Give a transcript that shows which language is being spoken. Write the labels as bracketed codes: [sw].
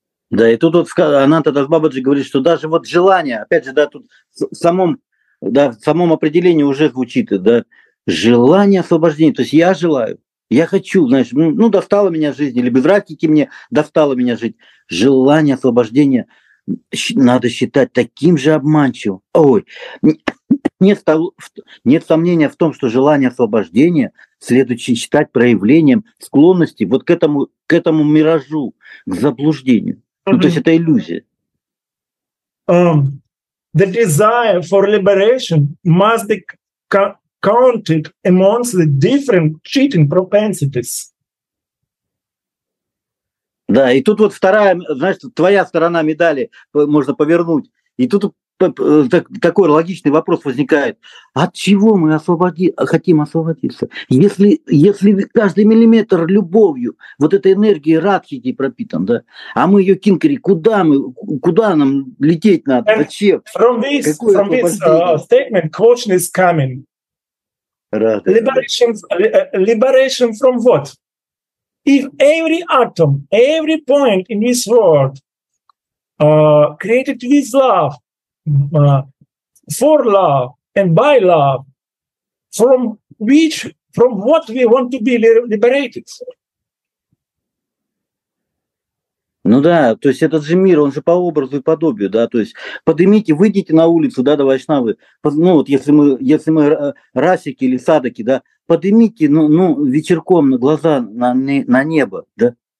[ru] Да, и тут вот она тогда с Бабаджи говорит, что даже вот желание, опять же, да, тут в самом определении уже звучит, да, желание освобождения, то есть я желаю, я хочу, знаешь, ну достала меня жизнь, или безрадки мне достала меня жить, желание освобождения надо считать таким же обманчивым. Ой, нет сомнения в том, что желание освобождения следует считать проявлением склонности вот к этому миражу, к заблуждению. Mm-hmm. Ну, то есть это иллюзия. [en] The desire for liberation must be counted amongst the different cheating propensities. [ru] Да, и тут вот вторая, знаешь, твоя сторона медали можно повернуть. И тут такой логичный вопрос возникает. От чего мы хотим освободиться? Если каждый миллиметр любовью, вот этой энергией радхи пропитан, да? А мы ее кинкари, куда нам лететь надо? Зачем? [en] From this statement, question is coming. Liberation from what? If every atom, every point in this world created with love, for love and by love, from what we want to be liberated. [ru] Ну да, то есть этот же мир, он же по образу и подобию, да, то есть поднимите, выйдите на улицу, да, до вайшнавы, ну вот если мы расики или садаки, да, поднимите, ну вечерком на глаза на небо, да.